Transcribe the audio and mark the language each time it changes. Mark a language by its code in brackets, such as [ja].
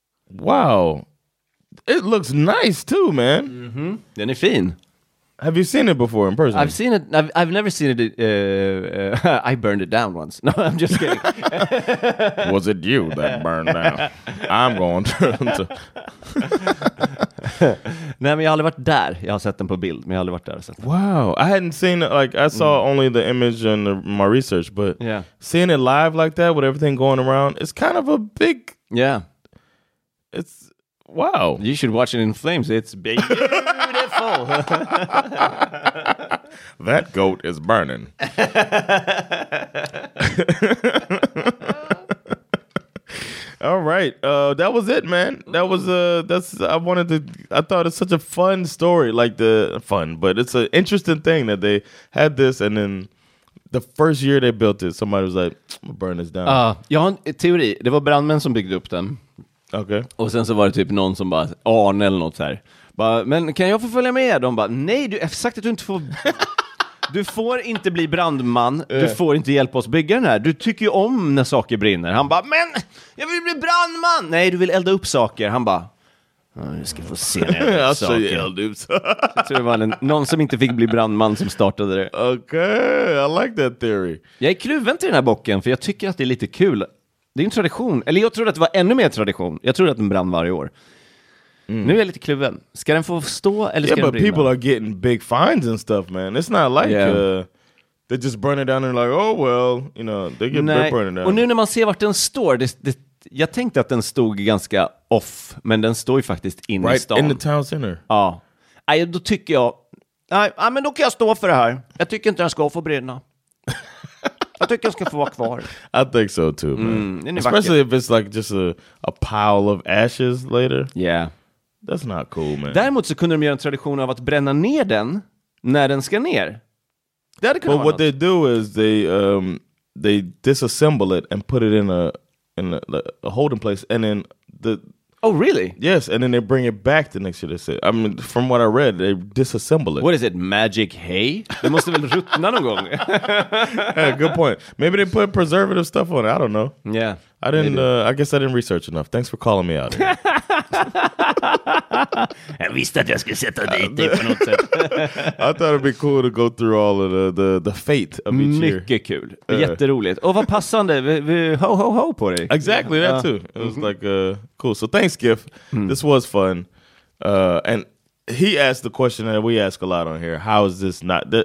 [en] Wow. It looks nice too, man. [sv] Mm-hmm. Den är fin. [en] Have you seen it before in person? I've seen it. I've never seen it. I burned it down once. No, I'm just kidding. Was it you that burned down? I'm going to... [sv] Nej, men jag har aldrig varit där. Jag har sett den på bild, men jag har aldrig varit där och sett den. [en] Wow, I hadn't seen it, like I saw only the image and my research, but yeah. Seeing it live like that with everything going around, it's kind of a big. Yeah. It's wow. You should watch it in flames. It's beautiful. That goat is burning. All right, that was it, man. That was I thought it's such a fun story, like the fun, but it's an interesting thing that they had this, and then the first year they built it, somebody was like, "I'm gonna burn this down." [sv] Jag har en teori. Det var brandmän som byggde upp den. [en] Okay. [sv] Och sen så var det typ någon som bara, Arne eller något så här. Bara, men kan jag få följa med? De bara, nej, du har sagt att du inte får. Du får inte bli brandman. Du får inte hjälpa oss bygga den här. Du tycker ju om när saker brinner. Han bara, men jag vill bli brandman. Nej, du vill elda upp saker. Han bara, nu ska få se när jag elda upp saker. Jag tror det var någon som inte fick bli brandman som startade det. Okej, [en] okay, I like that theory. [sv] Jag är kluven till den här bocken, för jag tycker att det är lite kul. Det är en tradition. Eller jag tror att det var ännu mer tradition. Jag tror att den brann varje år. Mm. Nu är jag lite kluven. Ska den få stå eller ska den brinna? [en] People are getting big fines and stuff, man. It's not like they just burn it down and like, oh well, you know, they get burned down. [sv] Och nu när man ser vart den står, jag tänkte att den stod ganska off, men den står ju faktiskt inne [en] right [sv] i stan. [en] Right in the town center. [sv] Ja. Nej, då tycker jag, nej, men då kan jag stå för det här. Jag tycker inte den ska få brinna. Jag tycker jag ska få vara kvar. [en] I think so too, man. Mm, especially vacker. If it's like just a pile of ashes later. Yeah. That's not cool, man. [sv] Däremot så kunde de göra en tradition av att bränna ner den när den ska ner. Det hade kunnat vara något. [en] But what they do is they disassemble it and put it in a holding place and then the... Oh, really? Yes, and then they bring it back the next year. They say. I mean, from what I read, they disassemble it. What is it, magic hay? [sv] Det måste väl ruttna någon gång. [en] Yeah, good point. Maybe they put preservative stuff on it. I don't know. Yeah. I didn't. I guess I didn't research enough. Thanks for calling me out. [sv] Jag visste att jag skulle sätta dig på något sätt. [en] I thought it'd be cool to go through all of the fate of each year. [sv] Mycket kul. Jätteroligt. Och vad passande. Ho, ho, ho på dig. [en] Exactly, that too. It was like, cool. So thanks, Giff. This was fun. And he asked the question that we ask a lot on here. How is this not...